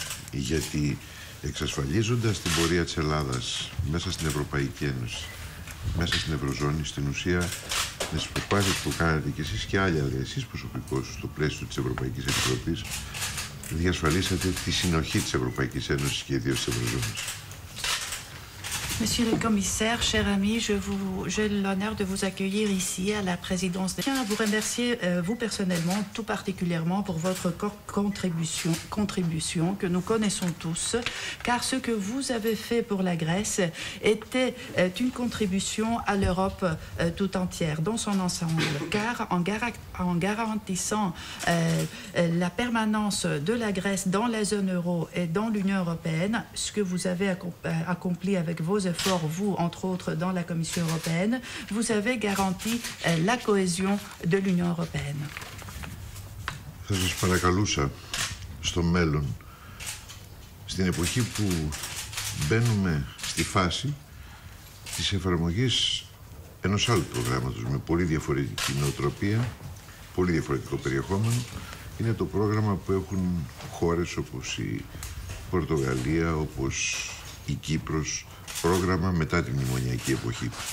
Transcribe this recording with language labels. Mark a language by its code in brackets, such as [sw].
[el] Γιατί εξασφαλίζοντας την πορεία της Ελλάδας μέσα στην Ευρωπαϊκή Ένωση, μέσα στην Ευρωζώνη, στην ουσία με τις προσπάθειες που κάνατε και εσείς και άλλοι, αλλά εσείς προσωπικώς στο πλαίσιο της Ευρωπαϊκής Επιτροπής, διασφαλίσατε τη συνοχή της Ευρωπαϊκής Ένωσης και ιδίως της Ευρωζώνης. [fr] Monsieur le commissaire, cher ami, j'ai l'honneur de vous accueillir ici à la présidence. Je tiens à vous remercier, vous personnellement, tout particulièrement pour votre contribution que nous connaissons tous, car ce que vous avez fait pour la Grèce était une contribution à l'Europe tout entière, dans son ensemble, car en garantissant la permanence de la Grèce dans la zone euro et dans l'Union européenne, ce que vous avez accompli avec vos efforts, vous, entre autres, dans la Commission européenne, vous avez garanti la cohésion de l'Union européenne. [el] Θα σας παρακαλούσα στο μέλλον, στην εποχή που μπαίνουμε στη φάση της εφαρμογής ενός άλλου προγράμματος με πολύ διαφορετική νοοτροπία, πολύ διαφορετικό περιεχόμενο, είναι το πρόγραμμα που έχουν χώρες όπως η Πορτογαλία, όπως η Κύπρος, πρόγραμμα μετά την μνημονιακή εποχή.